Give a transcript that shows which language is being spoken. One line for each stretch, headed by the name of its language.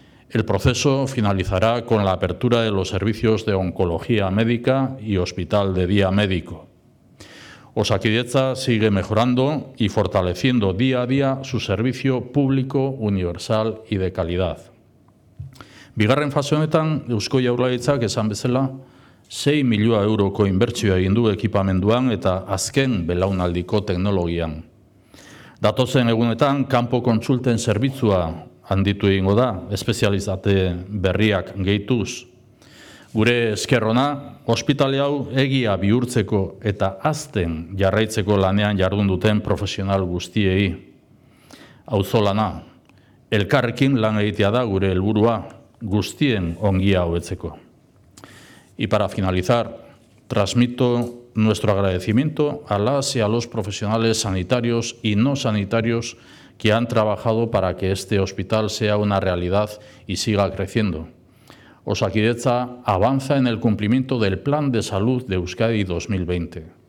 Spanish: El proceso finalizará con la apertura de los servicios de oncología médica y hospital de día médico. Osakidetza sigue mejorando y fortaleciendo día a día su servicio público, universal y de calidad.
Basque: Bigarren fase honetan, Eusko Jaurlaritzak esan bezala, 6 milioi euroko inbertsioa egin du ekipamenduan eta azken belaunaldiko teknologian. Datozen egunetan, kanpo kontsulten zerbitzua handitu egingo da, espezialitate berriak gehituz. Gure eskerrona, ospitale hau egia bihurtzeko eta azten jarraitzeko lanean jardun duten profesional guztiei. Auzolana, elkarrekin lan egitea da gure helburua, guztien ongia hobetzeko.
Spanish: Y para finalizar, transmito nuestro agradecimiento a las y a los profesionales sanitarios y no sanitarios que han trabajado para que este hospital sea una realidad y siga creciendo. Osakidetza avanza en el cumplimiento del Plan de Salud de Euskadi 2020.